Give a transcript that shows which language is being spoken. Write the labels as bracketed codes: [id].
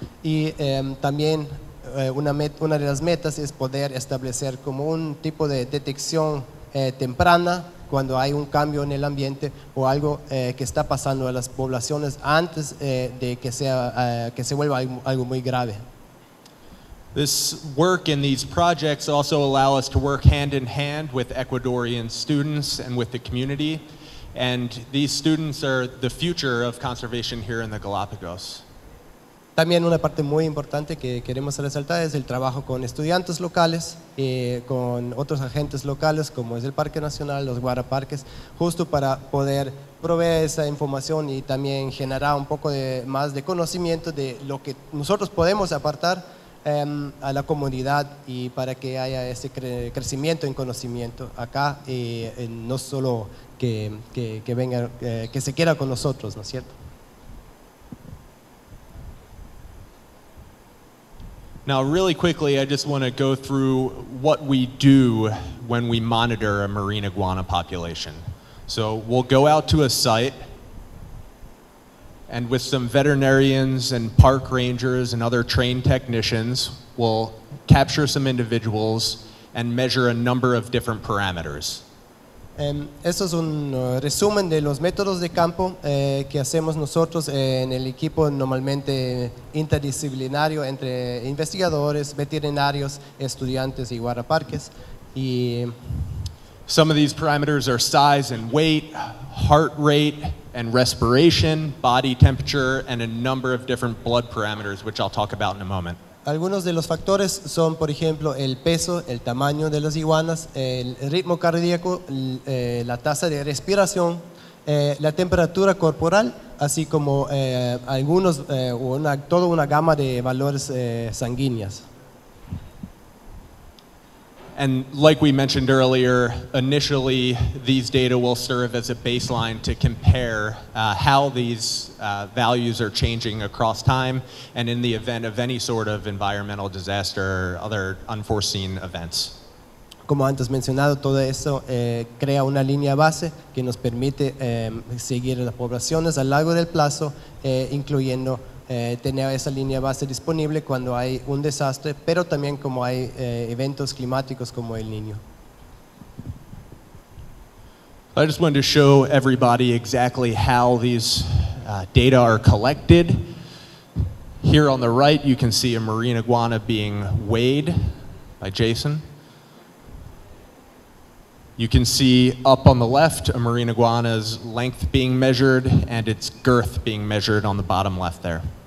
[es] Y también una de las metas es poder establecer como un tipo de detección temprana cuando hay un cambio en el ambiente o algo que está pasando a las poblaciones antes de que sea que se vuelva algo muy grave. [en] This work and these projects also allow us to work hand in hand with Ecuadorian students and with the community, and these students are the future of conservation here in the Galapagos. [es] También una parte muy importante que queremos resaltar es el trabajo con estudiantes locales y con otros agentes locales como es el Parque Nacional, los Guaraparques, justo para poder proveer esa información y también generar un poco de, más de conocimiento de lo que nosotros podemos apartar a la comunidad y para que haya ese crecimiento en conocimiento acá y no solo que venga, que se quiera con nosotros, ¿no es cierto? [en] Now, really quickly, I just want to go through what we do when we monitor a marine iguana population. So we'll go out to a site, and with some veterinarians and park rangers and other trained technicians, we'll capture some individuals and measure a number of different parameters. [es] Eso es un resumen de los métodos de campo que hacemos nosotros en el equipo normalmente interdisciplinario entre investigadores, veterinarios, estudiantes y guaraparques. Y [en] some of these parameters are size and weight, heart rate and respiration, body temperature, and a number of different blood parameters, which I'll talk about in a moment. [es] Algunos de los factores son, por ejemplo, el peso, el tamaño de las iguanas, el ritmo cardíaco, la tasa de respiración, la temperatura corporal, así como algunos toda una gama de valores sanguíneos. [en] And like we mentioned earlier, initially these data will serve as a baseline to compare how these values are changing across time and in the event of any sort of environmental disaster or other unforeseen events. [es] Como antes mencionado, todo eso crea una línea base que nos permite seguir las poblaciones a largo del plazo, incluyendo tener esa línea base disponible cuando hay un desastre, pero también como hay eventos climáticos como el Niño. [en] I just wanted to show everybody exactly how these data are collected. Here on the right, you can see a marine iguana being weighed by Jason. You can see up on the left a marine iguana's length being measured and its girth being measured on the bottom left there.